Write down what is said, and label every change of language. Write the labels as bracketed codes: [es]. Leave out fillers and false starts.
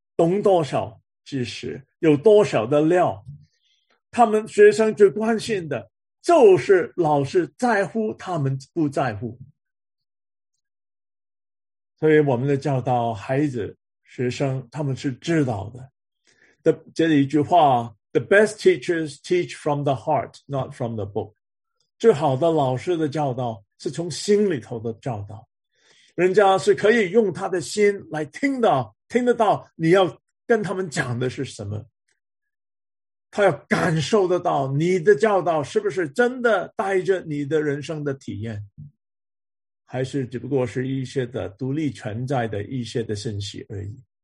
[zh] 懂多少知识，有多少的料。他们学生最关心的就是老师在乎他们不在乎。所以我们的教导孩子学生他们是知道的。这里一句话， [en] The best teachers teach from the heart, not from the book. [zh] 最好的老师的教导是从心里头的教导。人家是可以用他的心来听到，听得到你要跟他们讲的是什么。他要感受得到你的教导是不是真的带着你的人生的体验，还是只不过是一些的独立存在的一些的信息而已。